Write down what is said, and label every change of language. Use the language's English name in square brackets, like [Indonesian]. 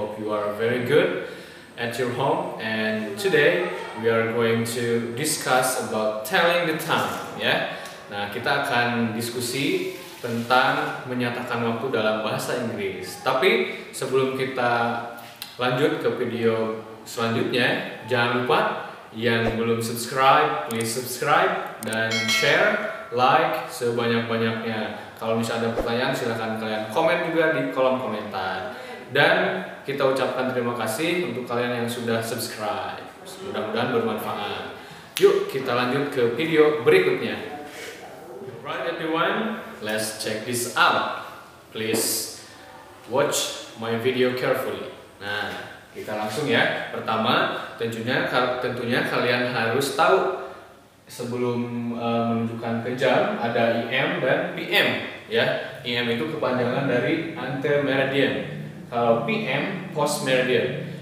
[English] are very good at your home, and today we are going to discuss about telling the time, ya. [Indonesian] Nah, kita akan diskusi tentang menyatakan waktu dalam bahasa Inggris. Tapi sebelum kita lanjut ke video selanjutnya, jangan lupa yang belum subscribe, [English] please subscribe [Indonesian] dan share, like sebanyak-banyaknya. Kalau misalnya ada pertanyaan, silakan kalian komen juga di kolom komentar. Dan kita ucapkan terima kasih untuk kalian yang sudah subscribe. Mudah-mudahan bermanfaat. Yuk, kita lanjut ke video berikutnya. [English] Right everyone, let's check this out. Please watch my video carefully. [Indonesian] Nah, kita langsung ya. Pertama, tentunya kalian harus tahu sebelum menunjukkan ke jam ada IM dan PM, ya. IM itu kepanjangan dari antemeridian. Kalau PM postmeridian.